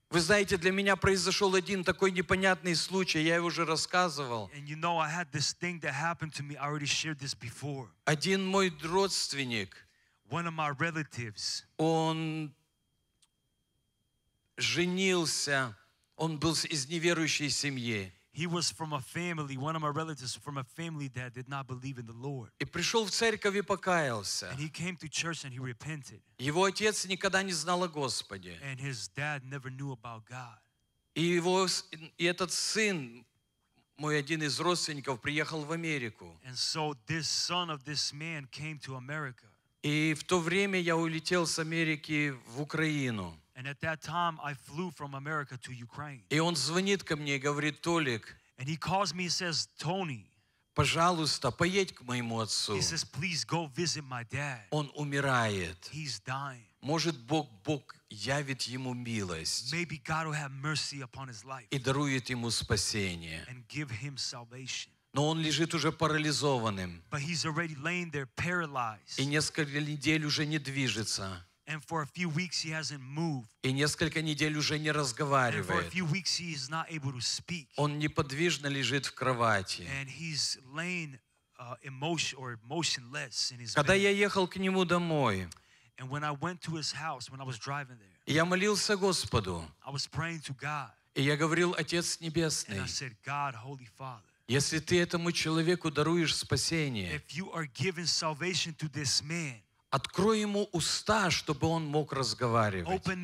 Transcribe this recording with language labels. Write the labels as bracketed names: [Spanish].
[Russian] Вы знаете, для меня произошел один такой непонятный случай, я его уже рассказывал. Один мой родственник, [English] one of my relatives, [Russian] он женился, он был из неверующей семьи. [English] He was from a family, one of my relatives from a family that did not believe in the Lord. [Russian] И пришел в церковь и покаялся. [English] And he came to church and he repented. [Russian] Его отец никогда не знал о Господе. [English] And his dad never knew about God. [Russian] И этот сын, мой один из родственников, приехал в Америку. [English] And so this son of this man came to America. [Russian] И в то время я улетел с Америки в Украину. [English] And at that time, I flew from America to Ukraine. [Russian] И он звонит ко мне и говорит, Толик, [English] and he calls me and says, Tony, [Russian] пожалуйста, поедь к моему отцу. [English] He says, please go visit my dad. [Russian] Он умирает. [English] He's dying. [Russian] Может, Бог явит ему милость. [English] Maybe God will have mercy upon his life. [Russian] И дарует ему спасение. [English] And give him salvation. [Russian] Но он лежит уже парализованным. [English] But he's already laying there paralyzed. [Russian] И несколько недель уже не движется. [English] And for a few weeks he hasn't moved. [Russian] И несколько недель уже не разговаривает. [English] And for a few weeks he is not able to speak. [Russian] Он неподвижно лежит в кровати. [English] And he's laying motionless in his bed. [Russian] Когда я ехал к нему домой, [English] and when I went to his house, when I was driving there, [Russian] я молился Господу. [English] I was praying to God. [Russian] И я говорил, Отец Небесный. [English] And I said, God, Holy Father. [Russian] Если ты этому человеку даруешь спасение, [English] if you are giving salvation to this man, [Russian] открой ему уста, чтобы он мог разговаривать.